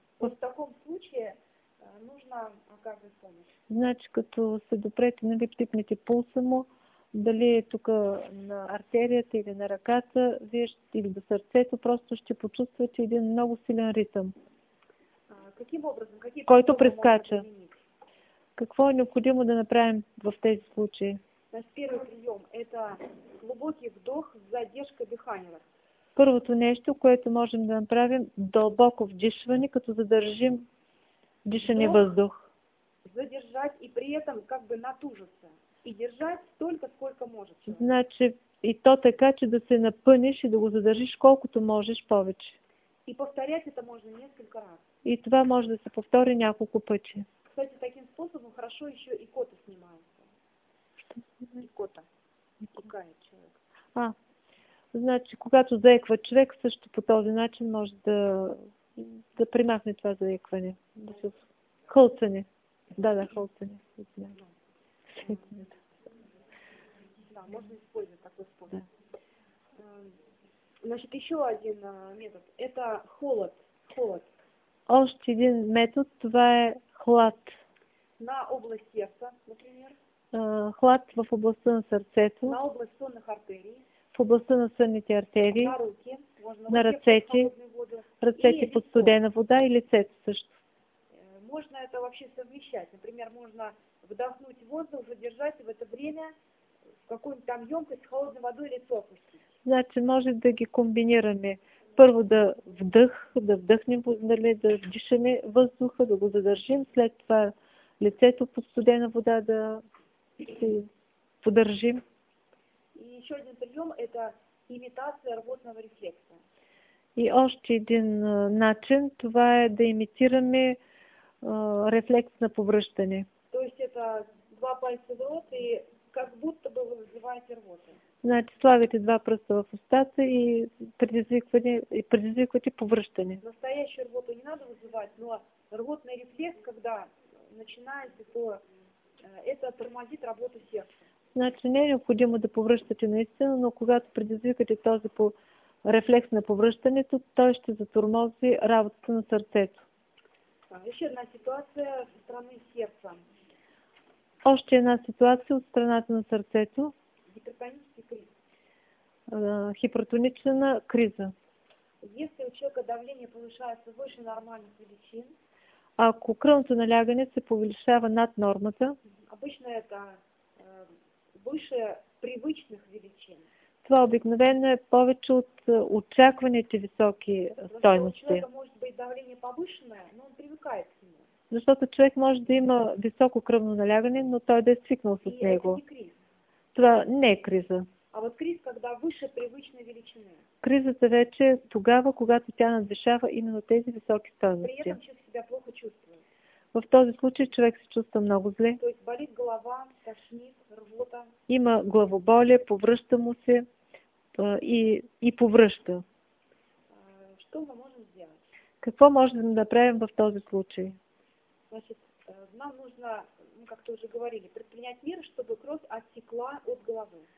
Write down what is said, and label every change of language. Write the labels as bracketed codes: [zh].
[ru] Вот в таком случае нужно оказывать помощь. [bg] Значи, като се допрете, нали, пипнете пулса му, дали е тук на артерията или на ръката, или до сърцето, просто ще почувствате един много силен ритъм. [ru] Каким образом, [bg] който прескача. Какво е необходимо да направим в тези случаи? [ru] Значит, первый прием – это глубокий вдох с задержкой дыхания. [bg] Първото нещо, което можем да направим, дълбоко вдишване, като задържим дишане въздух. [ru] задержать и при этом как бы натужиться. И держать столько, сколько может человек. [bg] Значи, и то така, че да се напънеш и да го задържиш колкото можеш повече. [ru] И повторять это можно несколько раз. [bg] И това може да се повтори няколко пъти. [ru] Кстати, таким способом хорошо еще и кота снимается. Что? И кота. И пугает человек. [bg] А, значи, когато заеква човек, също по този начин може да, да примахне това заекване. Да. Хълцане. Да, да, хълцане. Да. [ru] Да, можно использовать такой способ. Да. Значит, еще один метод. Это холод. Холод. [bg] Още один метод, това е хлад. [ru] На область сердца, например. [bg] Хлад в областта на сърцето. [ru] На область сонных артерий. [bg] В областта на сънните артерии. [ru] На руки. Можно [bg] на ръцете. Ръцете под студена вода и лицето също. [ru] Можно это вообще совмещать. Например, можно вдохнуть воздух, задержать и в это время в какую-нибудь там емкость с холодной водой лицо опустить. [bg] Значи, може да ги комбинираме. Първо да вдъх, да вдъхнем, нали, да вдишаме въздуха, да го задържим, след това лицето под студена вода да си подържим. [ru] И еще один прием – это имитация рвотного рефлекса. [bg] И още един начин – това е да имитираме рефлекс на повръщане. [ru] То есть это два пальца в рот и как будто бы вы вызываете рвоту. [bg] Значи слагате два пръста в устата и предизвиквате повръщане. [ru] Настоящую рвоту не надо вызывать, но рвотный рефлекс, когда начинается, то это тормозит работу сердца. [bg] Значи не е необходимо да повръщате наистина, но когато предизвикате този по рефлекс на повръщането, той ще затормози работата на сърцето. [ru] Еще одна ситуация со стороны сердца. [bg] Още една ситуация от страната на сърцето. [ru] Гипертонический криз. [bg] Хипертонична криза. [ru] Если у человека давление повышается выше нормальных величин. [bg] Ако кръвното налягане се повишава над нормата. [ru] Обычно это выше привычных величин. [bg] Това обикновено е повече от очакваните високи стойности. [ru] Может быть давление повышенное, но он привыкает к нему. [bg] Защото човек може да има високо кръвно налягане, но той да е свикнал с него. Това не е криза. [ru] А вот криз, когда выше привычной величины. [bg] Кризата вече е тогава, когато тя надвишава именно тези високи стойности. [ru] При этом человек себя плохо чувствует. [bg] В този случай човек се чувства много зле. [ru] То есть болит голова, тошнит, рвота. [bg] Има главоболие, повръща му се и повръща. [ru] Что мы можем сделать? [bg] Какво можем да направим в този случай? [ru] Значит, нам нужно, как-то уже говорили, предпринять меры, чтобы кровь оттекла от головы.